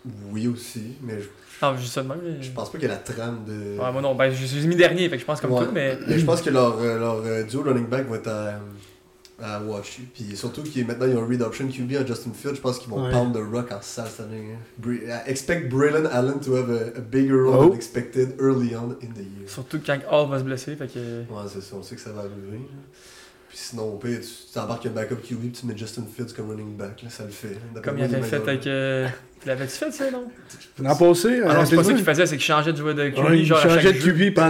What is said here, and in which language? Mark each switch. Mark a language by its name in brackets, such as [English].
[French] Oui, aussi, mais je. Non, juste même. Mais... Je pense pas qu'il y a la trame de. Ouais, moi non, ben je suis mis dernier, fait que je pense comme tout, mais. Mais je pense que leur duo running back va être à Washu. Puis surtout que maintenant, ils ont un read option QB à Justin Fields, je pense qu'ils vont [English] pound the rock [French] en salle cette année. [English] Expect Braylon Allen to have a bigger role than expected early on in the year. [French] Surtout quand Hall va se blesser, fait que. Ouais, c'est ça, on sait que ça va arriver. Là. Puis sinon, au pire, tu embarques un backup QB puis tu mets Justin Fields comme running back, là, ça le fait. Comme il avait fait avec. L'avais-tu fait, ça, non? L'an passé. Alors, c'est pas ça qu'il faisait, c'est qu'il changeait de jouer de QB. Ouais, genre il changeait de QB pendant